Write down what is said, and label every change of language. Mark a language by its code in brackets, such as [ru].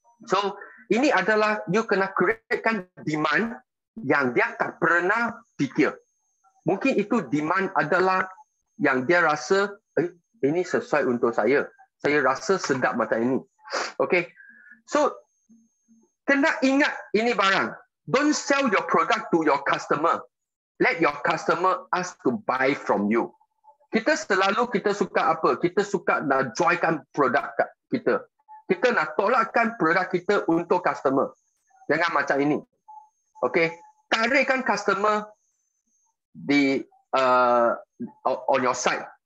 [ms] So ini adalah you kena createkan demand yang dia tak pernah fikir. Mungkin itu demand adalah yang dia rasa, ini sesuai untuk saya. Saya rasa sedap macam ini. Okay. So, kena ingat ini barang. [en] Don't sell your product to your customer. Let your customer ask to buy from you. [ms] Kita selalu kita suka apa? Kita suka nak jualkan produk kita. Kita nak tolakkan produk kita untuk customer. Jangan macam ini. Okay. Tarikkan customer di [en] on your side.